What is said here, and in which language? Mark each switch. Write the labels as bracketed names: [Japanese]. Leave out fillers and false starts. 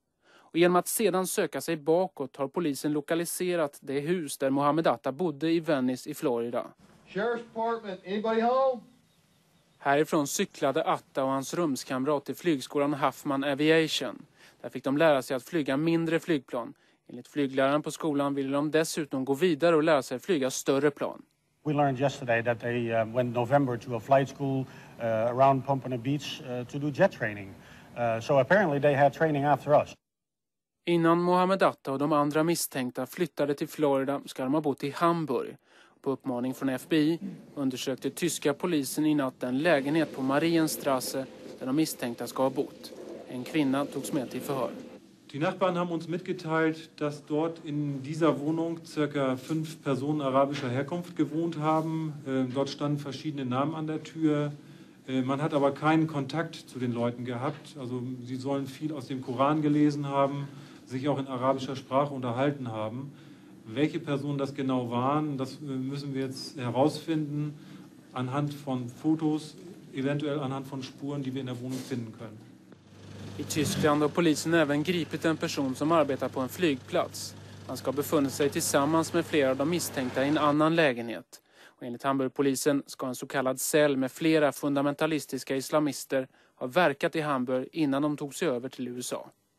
[Swedish] Och genom att sedan söka sig bakåt har polisen lokaliserat det hus där Mohammed Atta bodde i Venice i Florida. [English] Sheriff's Department, anybody home? [Swedish] Härifrån cyklade Atta och hans rumskamrat till flygskolan Huffman Aviation. Där fick de lära sig att flyga mindre flygplan. Enligt flygläraren på skolan ville de dessutom gå vidare och lära sig flyga större plan. [English] We learned yesterday that they went November to a flight school around Pompano Beach to do jet training. So apparently they had training after us. [Swedish] Innan Mohammed Atta och de andra misstänkta flyttade till Florida ska de ha bott i Hamburg. På uppmaning från FBI undersökte tyska polisen i natt en lägenhet på Marienstrasse där de misstänkta ska ha bott. En kvinna togs med till förhör. [German] Die Nachbarn haben uns mitgeteilt, dass dort in dieser Wohnung circa 5 Personen arabischer Herkunft gewohnt haben. Dort standen verschiedene Namen an der Tür. Man hat aber keinen Kontakt zu den Leuten gehabt. Also sie sollen viel aus dem Koran gelesen haben, sich auch in arabischer Sprache unterhalten haben. Welche Personen das genau waren, das müssen wir jetzt herausfinden anhand von Fotos, eventuell anhand von Spuren, die wir in der Wohnung finden können. [Swedish] I Tyskland har polisen även gripit en person som arbetar på en flygplats. Han ska ha befunnit sig tillsammans med flera av de misstänkta i en annan lägenhet. Och enligt Hamburgpolisen ska en så kallad cell med flera fundamentalistiska islamister ha verkat i Hamburg innan de tog sig över till USA.